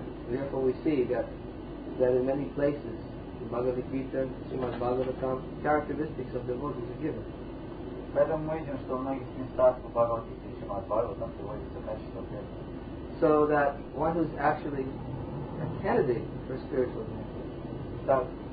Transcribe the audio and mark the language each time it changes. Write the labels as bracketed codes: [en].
[en] Therefore we see that in many places, the Bhagavad Gita, Srimad Bhagavatam, characteristics of devotees are given. [ru] Поэтому мы видим, что в многих местах по Бхагавад Гите, Шримад Бхагаватам приводится качество преданности. [en] So that one who's actually a candidate for spiritual advancement.